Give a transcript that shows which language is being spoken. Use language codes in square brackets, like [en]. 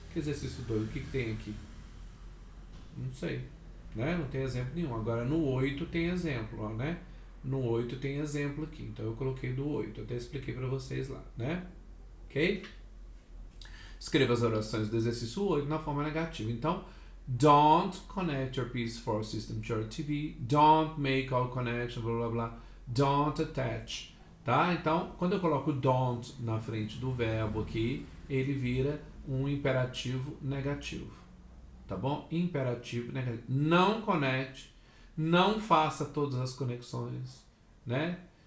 [pt] Que exercício 2? O que que tem aqui? Não sei. Né? Não tem exemplo nenhum. Agora no 8 tem exemplo, ó, né? No 8 tem exemplo aqui. Então eu coloquei do 8. Até expliquei para vocês lá, né? Ok? Escreva as orações do exercício 8 na forma negativa. [en] Então, don't connect your PS4 system to your TV. Don't make all connections, blá blá blá. Don't attach. Tá? [pt] Então, quando eu coloco don't na frente do verbo aqui, ele vira um imperativo negativo. Tá bom? Imperativo negativo. Não conecte, não faça todas as conexões, né?